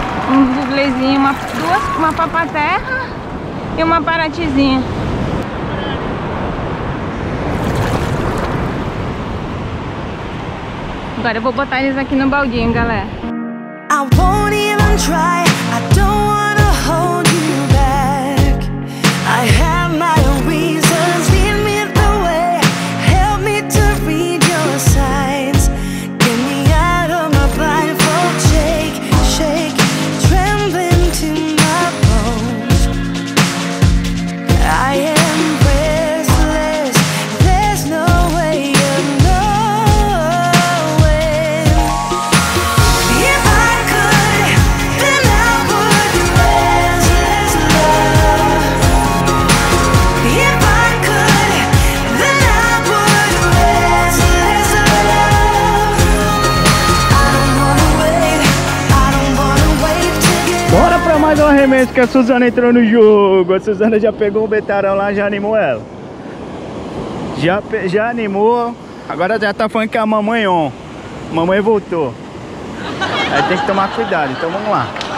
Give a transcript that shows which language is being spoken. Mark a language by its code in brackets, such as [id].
[pt] Um dublezinho, uma papaterra e uma paratizinha. Agora eu vou botar eles aqui no baldinho, galera. [en] I won't even try. I don't wanna hold you back. I have my own reasons. Lead me the way. Help me to read your signs. Get me out of my blindfold. Shake, shake, trembling to my bones. I am restless. There's no way of knowing. If I could, then I would be restless love. If I could, then I would be restless love. I don't wanna wait. I don't wanna wait to get. [pt] Bora pra mais um arremesso que a Suzana entrou no jogo. A Suzana já pegou o betarão lá, já animou ela. Já animou. Agora já tá falando que é a mamãe on. Mamãe voltou. Aí tem que tomar cuidado, então vamos lá.